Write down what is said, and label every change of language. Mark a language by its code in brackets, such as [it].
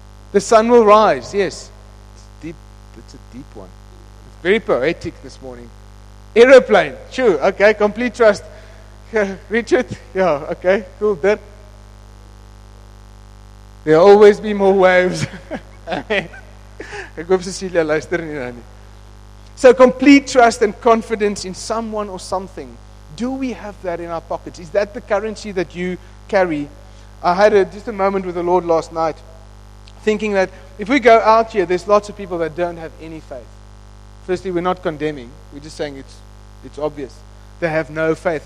[en] The sun will rise, yes. It's deep. It's a deep one. It's very poetic this morning. Aeroplane, true, okay, complete trust. Richard, yeah, okay, cool. There'll always be more waves. [af] Ek hoop Cecilia luister nie nou nie. [en] So complete trust and confidence in someone or something. Do we have that in our pockets? Is that the currency that you carry? I had just a moment with the Lord last night, thinking that if we go out here, there's lots of people that don't have any faith. Firstly, we're not condemning. We're just saying it's obvious. They have no faith.